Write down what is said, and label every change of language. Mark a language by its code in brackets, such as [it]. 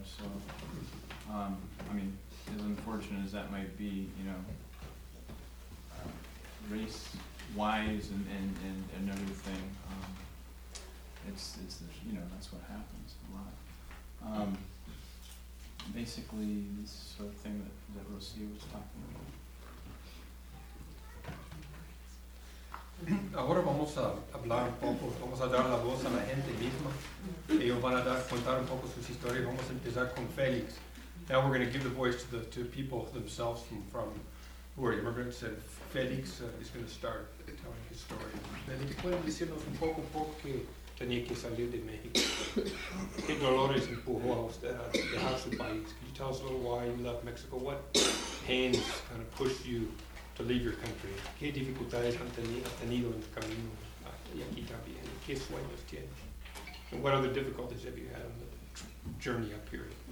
[en] So, I mean, as unfortunate as that might be, you know, race-wise and another thing, it's the, you know, that's what happens a lot. Basically, this sort of thing that Rosie was talking about. [es] Ahora vamos a hablar un poco, vamos a dar la voz a la gente misma. Ellos van a contar un poco sus historias. Vamos a empezar con Félix. [en] Now we're going to give the voice to people themselves from who are immigrants. And Félix is going to start telling his story. [es] Félix, ¿puedes decirnos un poco por qué tenía que salir de México? ¿Qué dolores empujó a usted a dejar su país? [en] Can you tell us a little why you left Mexico? What pains kind of pushed you to leave your country. [es] ¿Qué dificultades han tenido en el camino y aquí también? ¿Qué sueños tienes? [en] And what other difficulties have you had on the journey up here?